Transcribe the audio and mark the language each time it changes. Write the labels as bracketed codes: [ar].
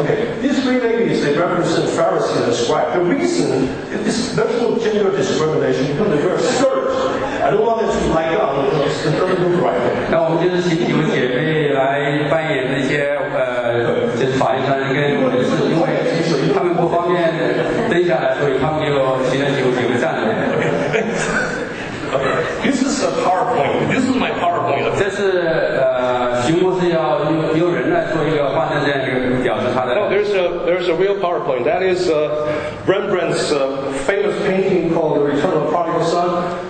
[en] Okay, these three ladies, they represent Pharisees and scribes. The reason is this, there's no gender discrimination because they were sinners. I don't want it to light up because it doesn't look right. [zh] 那我们就是请几位姐妹来扮演那些就是法利赛人跟文士，因为他们不方便蹲下来，所以他们就请了几位姐妹站着。 [en] This is a PowerPoint. This is my PowerPoint. [zh] 这是熊博士要用人来做一个画像这样一个表示他的。 [en] There's a real PowerPoint. That is Rembrandt's famous painting called The Return of the Prodigal Son.